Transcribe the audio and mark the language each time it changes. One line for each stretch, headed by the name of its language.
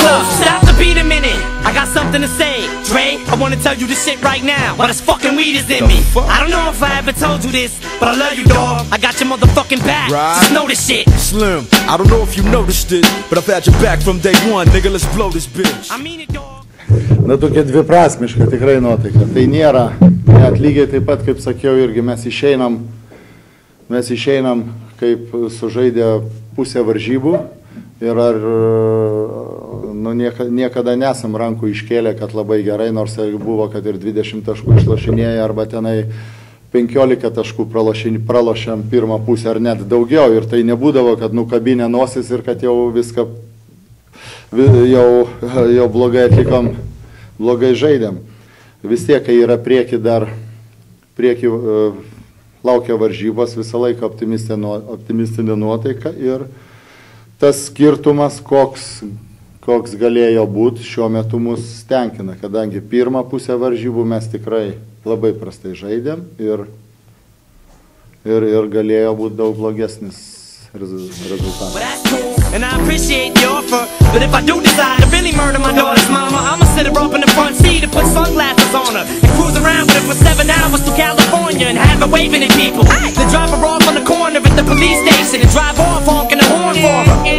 English: Hold up, stop the beat a minute. I got something to say, Dre. I wanna tell you this shit right now. Why this fucking weed is in me? I don't know if I ever told you this, but I love you, dog. I got your motherfucking back. Just know this shit. Slim, I don't know if you noticed it, but I've had your back from day one. Nigga, let's blow this bitch. I mean it, dog.
Lithuanian: Na, tokia dviprasmiška tikrai nuotaika. Tai nėra net lygiai taip pat, kaip sakiau, irgi mes išeinam kaip sužaidę pusę varžybų. Ir ar nu, niekada nesam rankų iškėlę, kad labai gerai, nors buvo, kad ir 20 taškų išlošinėja, arba tenai 15 taškų pralošėm pirmą pusę, ar net daugiau. Ir tai nebūdavo, kad nukabinė nosis ir kad jau viską jau blogai atlikom, blogai žaidėm. Vis tiek, kai yra prieki dar, prieki laukia varžybos, visą laiką optimistinė nuotaika. Ir tas skirtumas, koks galėjo būti, šiuo metu mus tenkina, kadangi pirmą pusę varžybų mes tikrai labai prastai žaidėm ir galėjo būti daug blogesnis rezultatas.
English: and I appreciate the offer. But if I do decide to really murder my daughter's mama, I'ma sit her up in the front seat and put sunglasses on her and cruise around with her for 7 hours to California and have her waving at people. Hey. Then drop her off on the corner at the police station and drive off honking the horn for her.